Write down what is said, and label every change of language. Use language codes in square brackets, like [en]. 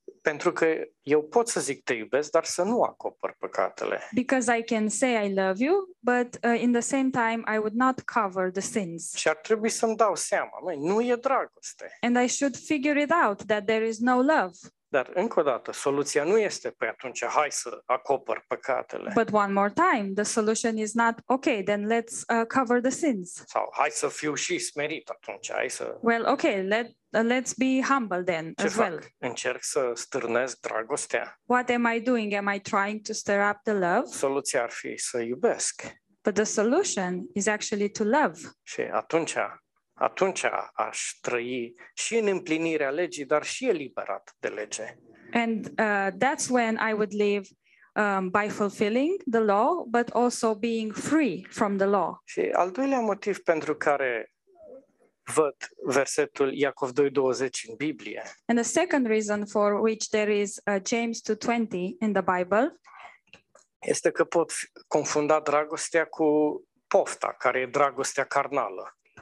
[ro] Pentru că eu pot să zic te iubesc, dar să nu acopăr păcatele. [en] Because I can say I love you, but in the same time I would not cover the sins. [ro] Și ar trebui să-mi dau seama, măi, nu e dragoste. [en] And I should figure it out that there is no love. [ro] Dar încă o dată, soluția nu este pe atunci hai să acopăr păcatele. [en] But one more time, the solution is not okay, then let's cover the sins. [ro] Sau hai să fiu și smerit atunci, hai să. [en] Well, okay, let's be humble then. [ro] Ce as fac? [en] Well. [ro] Încerc să stârnesc dragostea. [en] What am I doing? Am I trying to stir up the love? [ro] Soluția ar fi să iubesc. [en] But the solution is actually to love. [ro] Și atunci aș trăi și în împlinirea legii, dar și eliberat de lege. [en] And that's when I would live by fulfilling the law, but also being free from the law. [ro] Și al doilea motiv pentru care văd versetul Iacov 2:20 în Biblie. [en] And the second reason for which there is James 2:20 in the Bible. [ro] este că pot confunda dragostea cu pofta, care e dragostea carnală.